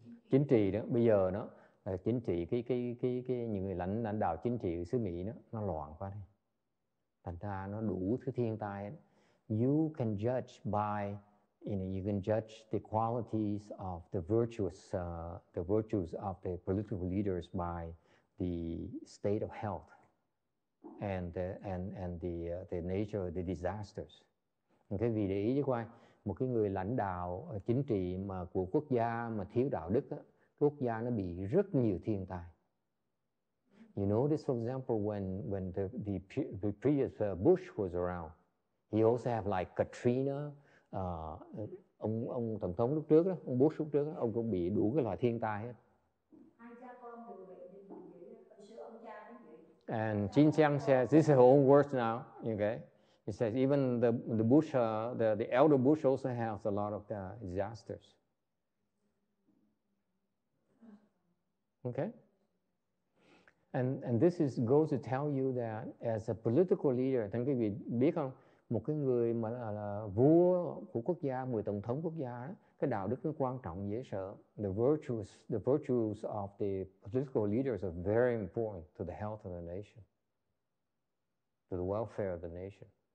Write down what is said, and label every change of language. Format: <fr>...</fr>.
<vi>Chính trị đó, bây giờ đó là chính trị cái những người lãnh đạo chính trị xứ Mỹ đó, nó loạn quá đi. Thành ra nó đủ thứ thiên tai.</vi> <en>You can judge by you know, you can judge the qualities of the virtues of the political leaders by the state of health and the nature of the disasters.</en> <vi>Okay, vì để ý chứ coi một cái người lãnh đạo chính trị mà của quốc gia mà thiếu đạo đức á, quốc gia nó bị rất nhiều thiên tai.</vi> <en>You notice, for example, when the previous Bush was around, he also have like Katrina.</en> <vi>Ông tổng thống lúc trước đó, ông Bush lúc trước đó, ông cũng bị đủ cái loại thiên tai hết.</vi> <en>And Jin Xiang says this is all worse now. Okay, he says even the Bush, the elder Bush also has a lot of disasters. Okay. And this is goes to tell you that as a political leader,</en> <vi>thưa quý vị biết không, một cái người mà là vua của quốc gia, người tổng thống quốc gia, cái đạo đức nó quan trọng dễ sợ.</vi> <en>The virtues of the political leaders are very important to the health of the nation, to the welfare of the nation.</en>